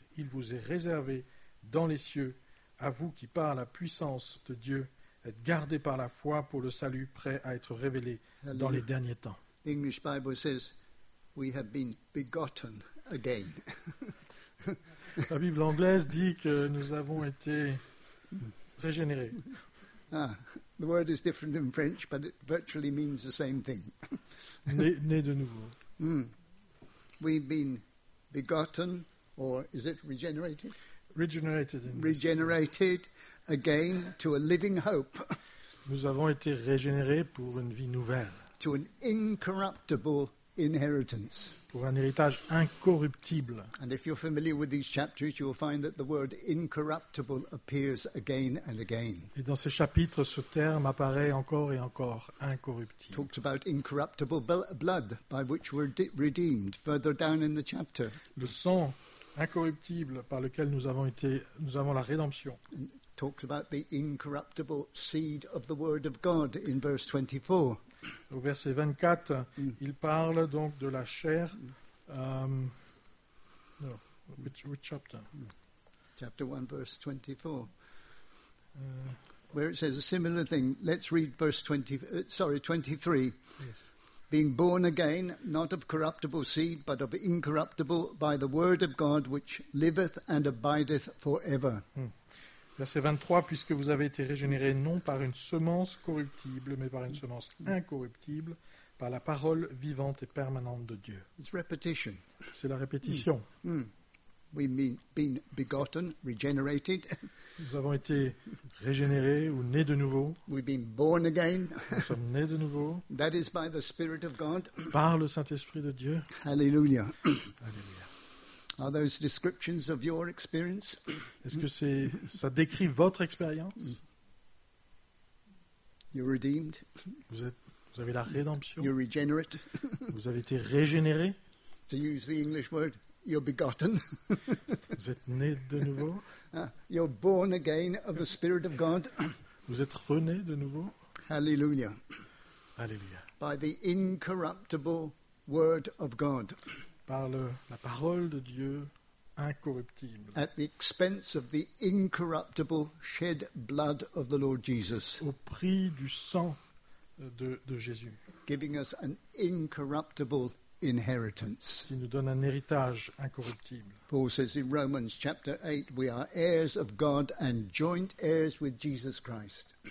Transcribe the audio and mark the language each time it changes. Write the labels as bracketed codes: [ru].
[fr] Il vous est réservé dans les cieux, à vous qui, par la puissance de Dieu, êtes gardés par la foi pour le salut prêt à être révélé dans les derniers temps. [en] L'English Bible says, we have been begotten again. [fr] La Bible anglaise dit que nous avons été régénérés. [en] Ah, the word is different in French, but it virtually means the same thing. [fr] Né de nouveau. Mm. [en] We've been begotten, or is it regenerated? Regenerated. Regenerated again to a living hope. [fr] Nous avons été régénérés pour une vie nouvelle. [en] To an incorruptible inheritance. [fr] Pour un héritage incorruptible. [en] And if you're familiar with these chapters, you'll find that the word incorruptible appears again and again. [fr] Et dans ces chapitres, ce terme apparaît encore et encore, incorruptible. [en] Talked about incorruptible blood by which we're redeemed further down in the chapter. [fr] Le sang incorruptible par lequel nous avons la rédemption. [en] Talked about the incorruptible seed of the word of God in verse 24. [fr] Au verset 24, il parle donc de la chair. [en] Which chapter? Chapter 1, verse 24. Where it says a similar thing. Let's read verse 23. Yes. Being born again, not of corruptible seed, but of incorruptible, by the word of God, which liveth and abideth forever. [fr] Verset 23, puisque vous avez été régénérés non par une semence corruptible, mais par une semence incorruptible, par la parole vivante et permanente de Dieu. [en] It's repetition. [fr] C'est la répétition. [en] We've been begotten, regenerated. [fr] Nous avons été régénérés ou nés de nouveau. [en] We've been born again. [fr] Nous sommes nés de nouveau. [en] That is by the Spirit of God. [fr] Par le Saint-Esprit de Dieu. Alléluia. Alléluia. [en] Are those descriptions of your experience? [fr] Est-ce que ça décrit votre expérience? [en] You're redeemed. [fr] Vous avez la rédemption. [en] You're regenerate. [fr] Vous avez été régénéré. [en] To use the English word, you're begotten. [fr] Vous êtes né de nouveau. [en] You're born again of the Spirit of God. [fr] Vous êtes rené de nouveau. [en] Hallelujah. [fr] Alléluia. [en] By the incorruptible word of God. [fr] Par la parole de Dieu incorruptible. [en] At the expense of the incorruptible shed blood of the Lord Jesus. [fr] Au prix du sang de Jésus. [en] Giving us an incorruptible inheritance. [fr] Qui nous donne un héritage incorruptible. [en] Paul says in Romans chapter 8, we are heirs of God and joint heirs with Jesus Christ.